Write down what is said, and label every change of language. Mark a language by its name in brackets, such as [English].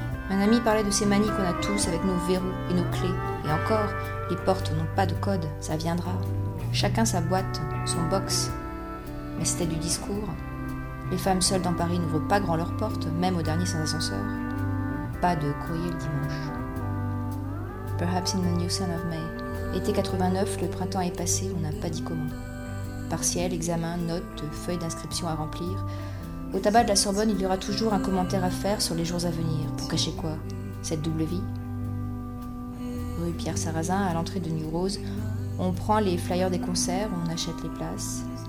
[French] Un ami parlait de ces manies qu'on a tous avec nos verrous et nos clés. Et encore, les portes n'ont pas de code, ça viendra. Chacun sa boîte, son box. Mais c'était du discours. Les femmes seules dans Paris n'ouvrent pas grand leurs portes, même au dernier sans ascenseur. Pas de courrier le dimanche. [English] Perhaps in the new sun of May. [French] Été 89, le printemps est passé, on n'a pas dit comment. Partiel, examen, notes, feuilles d'inscription à remplir. Au tabac de la Sorbonne, il y aura toujours un commentaire à faire sur les jours à venir. Pour cacher quoi? Cette double vie? Rue Pierre Sarrazin, à l'entrée de New Rose, on prend les flyers des concerts, on achète les places.